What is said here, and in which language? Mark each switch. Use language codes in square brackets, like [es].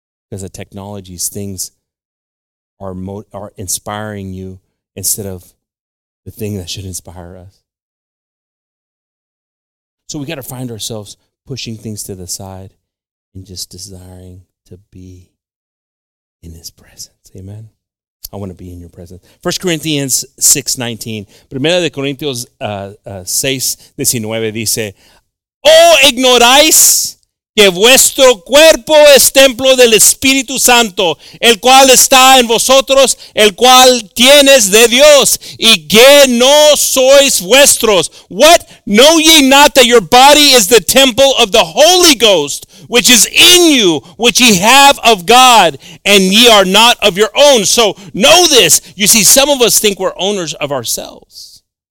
[en] Because of technologies, things are inspiring you instead of the thing that should inspire us. So we got to find ourselves pushing things to the side and just desiring to be in his presence. Amen. I want to be in your presence. 1 Corinthians 6:19. [es] Primera de Corintios 6:19 dice, ¿Oh, ignoráis que vuestro cuerpo es templo del Espíritu Santo, el cual está en vosotros, el cual tienes de Dios, y que no sois vuestros? [en] What? Know ye not that your body is the temple of the Holy Ghost, which is in you, which ye have of God, and ye are not of your own? So know this. You see, some of us think we're owners of ourselves.